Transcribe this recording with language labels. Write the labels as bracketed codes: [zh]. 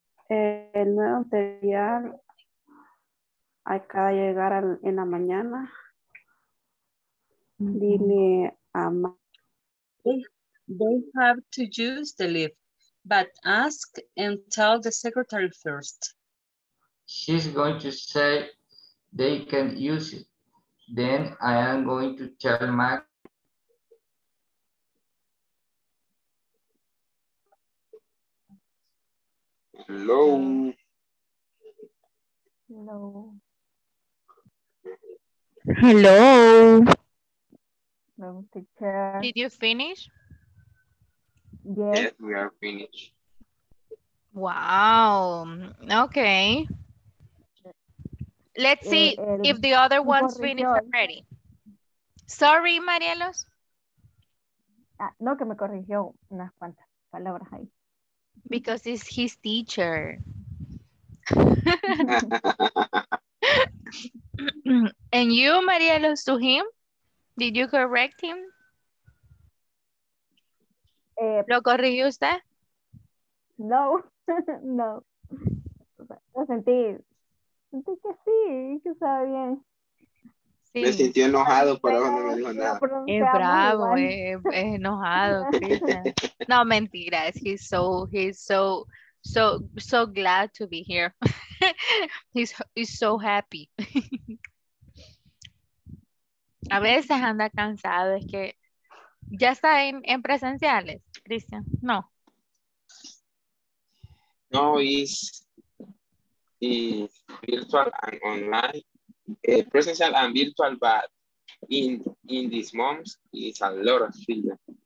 [es] el nuevo material acaba de llegar en la mañana. Dime, [en] they have to use the lift, but ask and tell the secretary first. She's going to say they can use it. Then I am going to tell Mac. Hello. Hello. Hello. Hello, teacher. Did you finish? Yes, we are finished. Wow. Okay. Let's see if the other ones finished already. Sorry, Marielos. [es] Ah, no, que me corrigió unas cuantas palabras ahí. [en] Because it's his teacher. And you, Marielos, to him? Did you correct him? [es] ¿Lo corrigió usted? No, no. Lo sentí. Sentí que sí, que estaba bien. Sí. Me sintió enojado, pero no me dijo nada. Es bravo, es enojado. No, mentira, [en] he's so So glad to be here. he's so happy. [es] A veces anda cansado, es que ya está en presenciales, Cristian. No. [en] No, is virtual and online, presencial and virtual, but in these months is a lot of freedom.